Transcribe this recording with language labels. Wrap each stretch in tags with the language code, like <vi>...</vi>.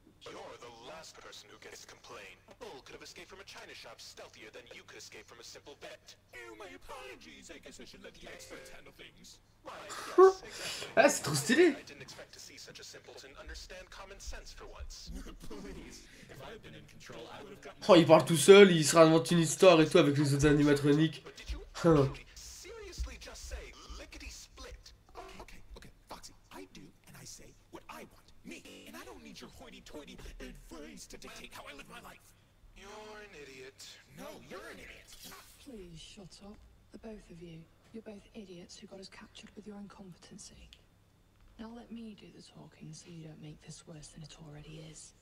<en>You're the last person who gets to complain. A bull could have escaped from a china shop stealthier than you could escape from a simple bet. Oh, my apologies. I guess I should let the expert handle things. Right, yes, exactly.</en> <fr>Ah, c'est trop stylé.</fr> <en>I didn't expect to see such a simpleton understand common sense for once. Please, if I had been in control, I would have gotten...</en> <fr>Oh, il parle tout seul, il se raconte une histoire et tout avec les autres animatroniques.</fr> <en>Seriously, just say lickety split. Okay, Foxy, I do and I say what I want. Me, and I don't need your hoity-toity advice to dictate how I live my life. You're an idiot. No, you're an idiot. Please shut up, the both of you. You're both idiots who got us captured with your incompetency. Now let me do the talking so you don't make this worse than it already is.</en>